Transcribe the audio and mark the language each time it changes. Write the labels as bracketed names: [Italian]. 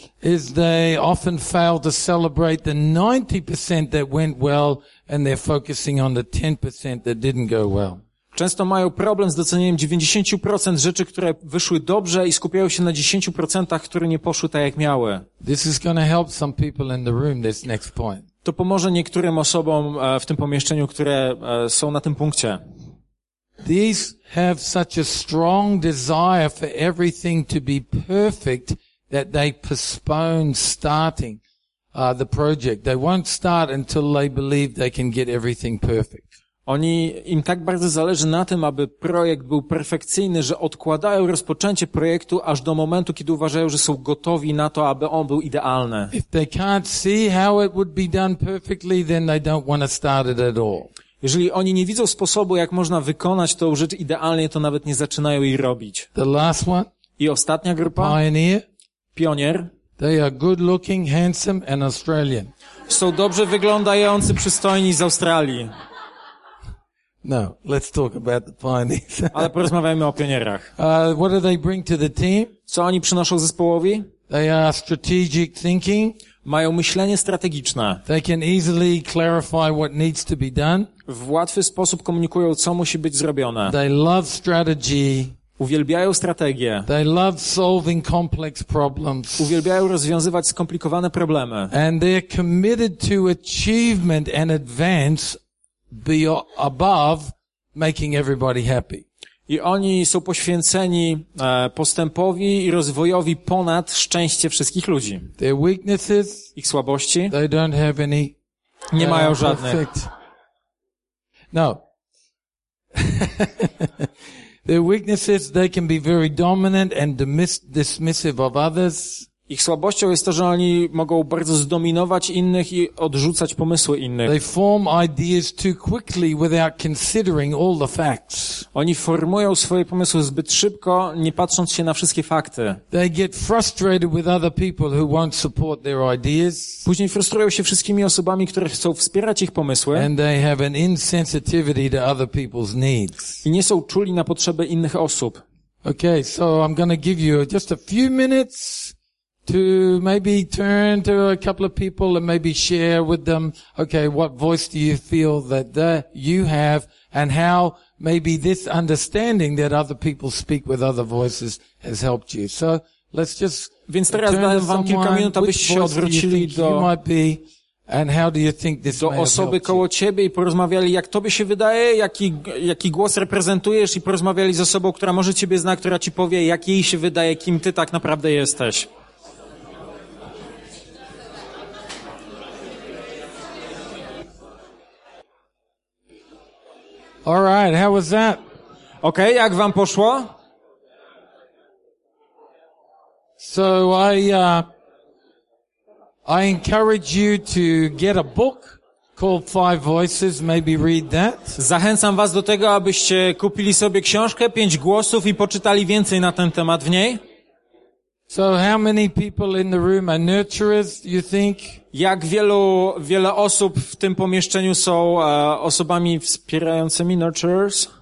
[English] is they often fail to celebrate the 90% that went well and they're focusing on the 10% that didn't go well. [Polish] Często mają problem z docenieniem 90% rzeczy, które wyszły dobrze i skupiają się na 10%, które nie poszły tak, jak miały. [English] This is gonna help some people in the room, this next point. [Polish] To pomoże niektórym osobom w tym pomieszczeniu, które są na tym punkcie. [English] These have such a strong desire for everything to be perfect that they postpone starting the project. They won't start until they believe they can get everything perfect. [Polish] Oni, im tak bardzo zależy na tym, aby projekt był perfekcyjny, że odkładają rozpoczęcie projektu aż do momentu, kiedy uważają, że są gotowi na to, aby on był idealny. [English] If they can't see how it would be done perfectly, then they don't want to start it at all. [Polish] Jeżeli oni nie widzą sposobu, jak można wykonać tą rzecz idealnie, to nawet nie zaczynają jej robić. [English] The last one. [Polish] I ostatnia grupa. [English] Pioneer. [Polish] Pionier. [English] They are good looking, handsome and Australian. [Polish] Są dobrze wyglądający, przystojni z Australii. [English] No, let's talk about the pioneers. [Polish] Ale porozmawiajmy o pionierach. [English] What do they bring to the team? [Polish] Co oni przynoszą zespołowi? [English] They are strategic thinking. [Polish] Mają myślenie strategiczne. [English] They can easily clarify what needs to be done. [Polish] W łatwy sposób komunikują, co musi być zrobione. [English] They love strategy. [Polish] Uwielbiają strategię. [English] They love solving complex problems. [Polish] Uwielbiają rozwiązywać skomplikowane problemy. [English] And they're committed to achievement and advance. Be above making everybody happy. [Polish] I oni są poświęceni postępowi i rozwojowi ponad szczęście wszystkich ludzi. [English] Their weaknesses. [Polish] Ich słabości. [English] They don't have any. [Polish] Nie mają żadnych. [English] Perfect. No. Their weaknesses. They can be very dominant and dismissive of others. [Polish] Ich słabością jest to, że oni mogą bardzo zdominować innych i odrzucać pomysły innych. [English] They form ideas too quickly without considering all the facts. [Polish] Oni formują swoje pomysły zbyt szybko, nie patrząc się na wszystkie fakty. [English] They get frustrated with other people who won't support their ideas. [Polish] Później frustrują się wszystkimi osobami, które chcą wspierać ich pomysły. [English] And they have an insensitivity to other people's needs. [Polish] I nie są czuli na potrzeby innych osób. [English] Okay, so I'm going to give you just a few minutes to maybe turn to a couple of people and maybe share with them, okay, what voice do you feel that you have and how maybe this understanding that other people speak with other voices has helped you. So let's just [Polish] więc teraz [English] turn [Polish] dałem [English] to [Polish] wam [English] someone, [Polish] kilka minut, abyście się odwrócili do [English] might be and how do you think this [Polish] do osoby koło ciebie i porozmawiali, jak tobie się wydaje, jaki głos reprezentujesz i porozmawiali z osobą, która może ciebie zna, która ci powie, jak jej się wydaje, kim ty tak naprawdę jesteś. [English] All right, how was that? [Polish] Okay, jak wam poszło? [English] So I encourage you to get a book called Five Voices, maybe read that. [Polish] Zachęcam was do tego, abyście kupili sobie książkę Pięć Głosów i poczytali więcej na ten temat w niej. [English] So how many people in the room are nurturers, you think? [Polish] Jak wiele osób w tym pomieszczeniu są osobami wspierającymi, nurturers?